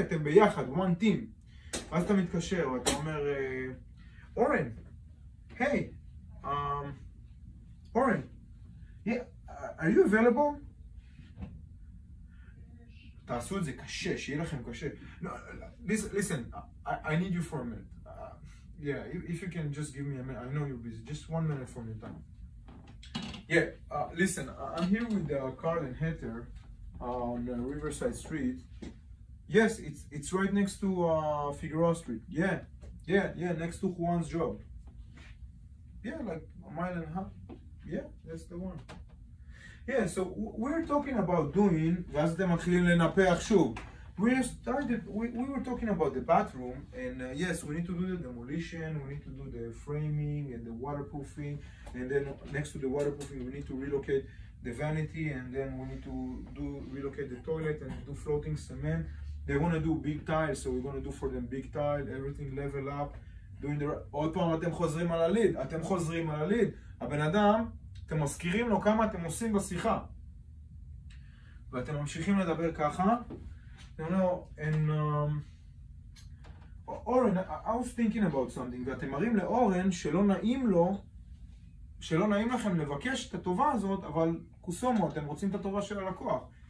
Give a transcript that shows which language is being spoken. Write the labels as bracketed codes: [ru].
[he] אתם ביחד, [en] one team. [he] ואז אתה מתקשר ואתה אומר, אורן, היי, אורן, [en] are you available? [he] תעשו את זה קשה, שיהיה לכם קשה. [en] No, listen, I need you for a minute. Yeah, if you can just give me a minute, I know you're busy. Just one minute from your time. Yeah, listen, I'm here with Carl and Heather on Riverside Street. Yes, it's right next to Figueroa Street. Yeah, yeah, yeah, next to Juan's job. Yeah, like a mile and a half. Yeah, that's the one. Yeah, so we're talking about doing, [he] ואז אתם מתחילים לנפח שוב. [en] We were talking about the bathroom, and yes, we need to do the demolition, we need to do the framing and the waterproofing, and then next to the waterproofing, we need to relocate the vanity, and then we need to relocate the toilet and do floating cement. They want to do big tiles, so we're going to do for them big tile, everything level up. Doing the [he] עוד פעם, אתם חוזרים על הליד, אתם חוזרים על הליד. הבן אדם... אתם מזכירים לו כמה אתם עושים בשיחה ואתם ממשיכים לדבר ככה. [en] You know, and [he] אורן, [en] I was thinking about something, [he] ואתם מראים לאורן שלא נעים לו, שלא נעים לכם לבקש את הטובה הזאת, אבל קוסומו, אתם רוצים את הטובה של הלקוח.